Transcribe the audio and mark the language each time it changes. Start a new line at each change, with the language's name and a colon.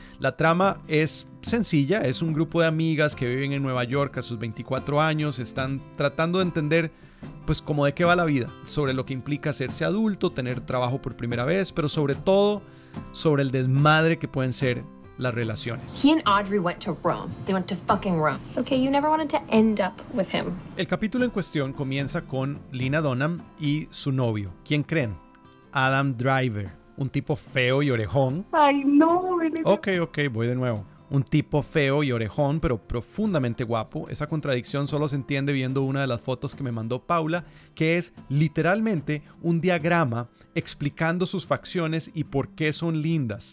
Spanish: La trama es sencilla, es un grupo de amigas que viven en Nueva York a sus 24 años, están tratando de entender pues como de qué va la vida, sobre lo que implica hacerse adulto, tener trabajo por primera vez, pero sobre todo sobre el desmadre que pueden ser las relaciones.
English: He and Audrey went to Rome. They went to fucking Rome. Okay, you never wanted to end up with him.
Spanish: El capítulo en cuestión comienza con Lena Dunham y su novio. ¿Quién creen? Adam Driver, un tipo feo y orejón. Ay, no. Okay, voy de nuevo. Un tipo feo y orejón, pero profundamente guapo. Esa contradicción solo se entiende viendo una de las fotos que me mandó Paula, que es literalmente un diagrama explicando sus facciones y por qué son lindas.